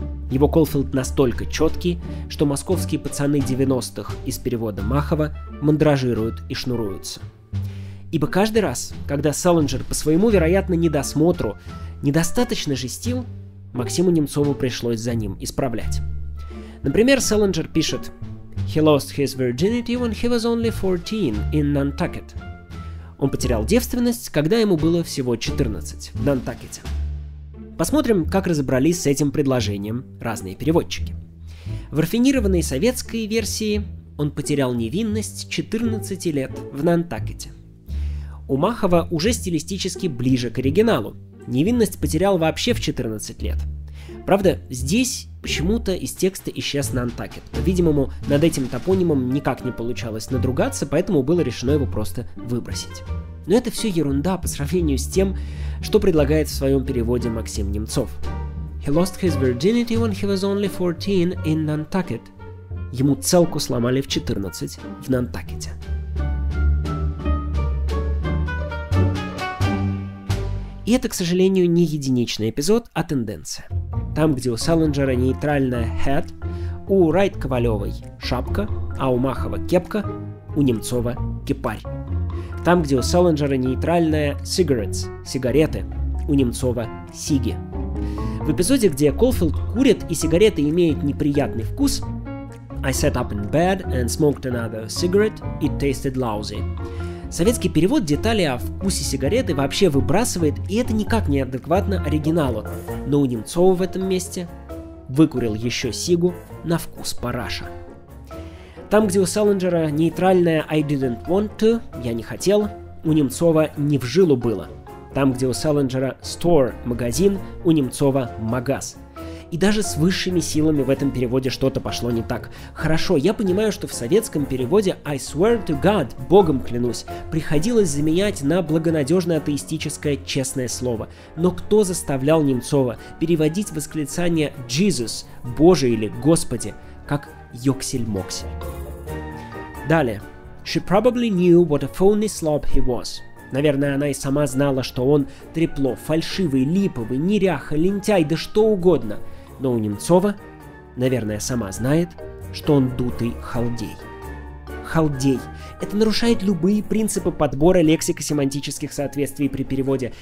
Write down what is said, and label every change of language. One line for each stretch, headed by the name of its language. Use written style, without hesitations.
Russian: Его Колфилд настолько четкий, что московские пацаны 90-х из перевода Махова мандражируют и шнуруются. Ибо каждый раз, когда Селлинджер по своему, вероятно, недосмотру недостаточно жестил, Максиму Немцову пришлось за ним исправлять. Например, Селлинджер пишет:
English: «He lost his virginity when he was only 14 in Nantucket».
Russian: Он потерял девственность, когда ему было всего 14 в Нантакете. Посмотрим, как разобрались с этим предложением разные переводчики. В рафинированной советской версии он потерял невинность 14 лет в Нантакете. У Махова уже стилистически ближе к оригиналу. Невинность потерял вообще в 14 лет. Правда, здесь почему-то из текста исчез Нантакет. По-видимому, над этим топонимом никак не получалось надругаться, поэтому было решено его просто выбросить. Но это все ерунда по сравнению с тем, что предлагает в своем переводе Максим Немцов.
English: He lost his virginity when he was only 14 in Nantucket.
Russian: Ему целку сломали в 14 в Нантакете. И это, к сожалению, не единичный эпизод, а тенденция. Там, где у Селлинджера нейтральная hat, у Райт Ковалевой шапка, а у Махова кепка, у Немцова кипарь. Там, где у Селлинджера нейтральная cigarettes, сигареты, у Немцова сиги. В эпизоде, где Колфилд курит и сигареты имеют неприятный вкус,
English: I sat up in bed and smoked another cigarette, it tasted lousy.
Russian: Советский перевод детали о вкусе сигареты вообще выбрасывает, и это никак не адекватно оригиналу. Но у Немцова в этом месте выкурил еще сигу на вкус параша. Там, где у Селлинджера нейтральная
English: I didn't want to,
Russian: я не хотел, у Немцова не в жилу было. Там, где у Селлинджера store, магазин, у Немцова магаз. И даже с высшими силами в этом переводе что-то пошло не так. Хорошо, я понимаю, что в советском переводе
English: I swear to God,
Russian: богом клянусь, приходилось заменять на благонадежно-атеистическое честное слово. Но кто заставлял Немцова переводить восклицание Jesus, Боже или Господи, как ёксель-моксель? Далее.
English: She probably knew what a phony slob he was.
Russian: Наверное, она и сама знала, что он трепло, фальшивый, липовый, неряха, лентяй, да что угодно. Но у Немцова, наверное, сама знает, что он дутый халдей. Халдей. Это нарушает любые принципы подбора лексико-семантических соответствий при переводе.